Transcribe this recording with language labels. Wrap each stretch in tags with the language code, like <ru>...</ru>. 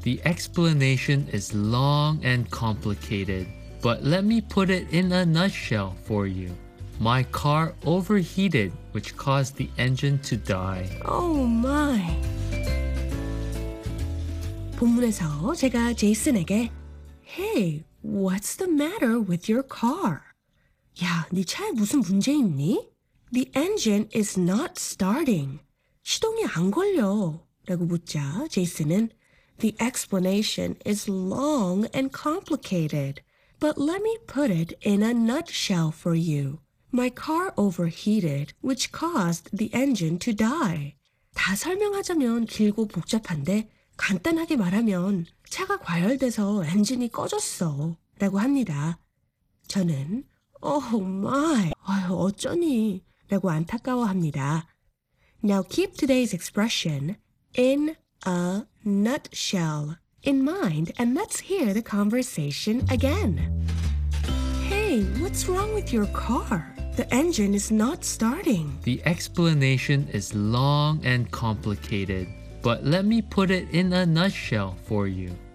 <en>The explanation is long and complicated, but let me put it in a nutshell for you. My car overheated, which caused the engine to die. Oh my!</en> <ko>본문에서 제가 제이슨에게</ko> <en>Hey, what's the matter with your car?</en> <ko>야, 네 차에 무슨 문제 있니?</ko> <en>The engine is not starting.</en> <ko>시동이 안 걸려 라고 묻자 제이슨은</ko> <en>The explanation is long and complicated. But let me put it in a nutshell for you. My car overheated, which caused the engine to die.</en> <ko>다 설명하자면 길고 복잡한데 간단하게 말하면 차가 과열돼서 엔진이 꺼졌어 라고 합니다. 저는</ko> <en>Oh my,</en> <ko>아유, 어쩌니 라고 안타까워합니다.</ko> <en>Now keep today's expression, in a nutshell, in mind, and let's hear the conversation again. Hey, what's wrong with your car? The engine is not starting. The explanation is long and complicated, but let me put it in a nutshell for you.</en>